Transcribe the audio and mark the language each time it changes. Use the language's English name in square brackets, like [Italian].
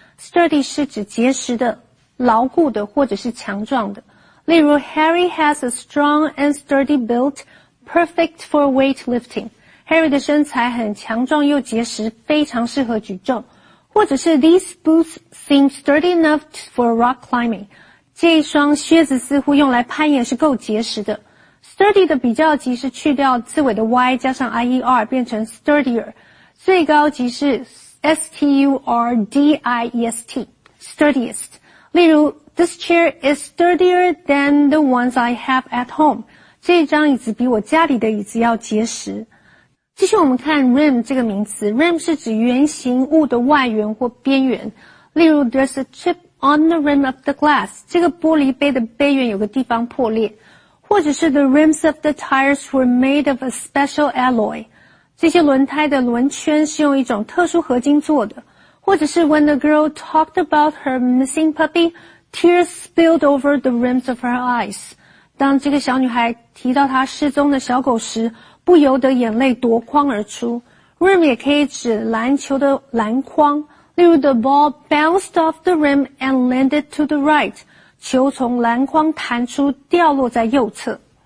[Chinese] Sturdy 是指结实的、牢固的或者是强壮的。例如 [English] Harry has a strong and sturdy build, perfect for weightlifting. [Chinese] Harry 的身材很强壮又结实，非常适合举重。或者是 [English] These boots seem sturdy enough for rock climbing. [Chinese] 这一双靴子似乎用来攀岩是够结实的。 Sturdy 的比较级是去掉字尾的 y 加上 ier 变成 sturdier， 最高级是 sturdiest， sturdiest。例如 [English] ，This chair is sturdier than the ones I have at home。 [Chinese] 这张椅子比我家里的椅子要结实。继续我们看 rim 这个名词 ，rim 是指圆形物的外缘或边缘。例如 [English] ，There's a chip on the rim of the glass。 [Chinese] 这个玻璃杯的杯缘有个地方破裂。或者是 [English] the rims of the tires were made of a special alloy. [Chinese] 这些轮胎的轮圈是用一种特殊合金做的。或者是 [English] when the girl talked about her missing puppy, tears spilled over the rims of her eyes. [Chinese] 当这个小女孩提到她失踪的小狗时，不由得眼泪夺眶而出。 Rim 也可以指篮球的篮筐。例如 [English] the ball bounced off the rim and landed to the right. [Chinese] 球从篮筐弹出，掉落在右侧。